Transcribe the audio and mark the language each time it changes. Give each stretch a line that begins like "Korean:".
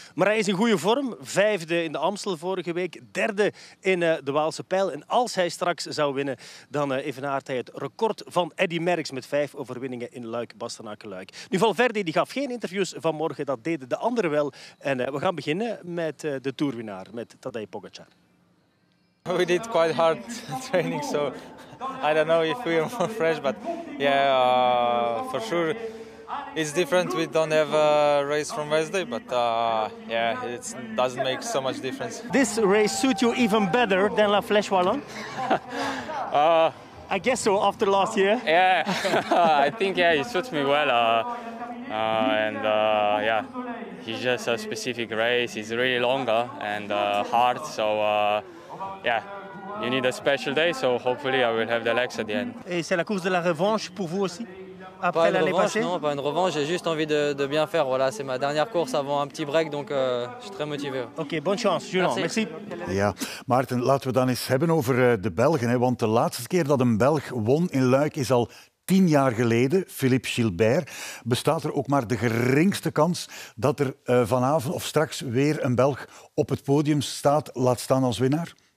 Dutch: Maar hij is in goede vorm. 5e in de Amstel vorige week. 3e in de Waalse Pijl. En als hij straks zou winnen, dan evenaart hij het record van Eddy Merckx met 5 overwinningen in Luik. Nu, Valverde die gaf geen interviews vanmorgen, dat deden de anderen wel. En we gaan beginnen met de toerwinnaar, met Tadej Pogacar.
English: We did quite hard training, so I don't know if we are more fresh, but yeah, for sure it's different. We don't have a race from Wednesday, but yeah, it doesn't make so much difference. This race suit you even better than La Flèche Wallonne. I guess so, after last year. Yeah, I think it suits me well. It's just a specific race. It's really longer and hard. So, you need a special day. So, hopefully, I will have the legs at the end.
French: Et c'est la course de la revanche pour vous aussi? Après l'année passée? Non, pas une revanche. J'ai juste envie de bien faire. Voilà, c'est ma dernière course avant un petit break, donc je suis très motivé. Ok, bonne chance, Julien. Merci.
Dutch: Ja, Maarten, laten we dan eens hebben over de Belgen, hè? Want de laatste keer dat een Belg won in Luik is al 10 jaar geleden. Philippe Gilbert. Bestaat er ook maar de geringste kans dat er vanavond of straks weer een Belg op het podium staat, laat staan als winnaar?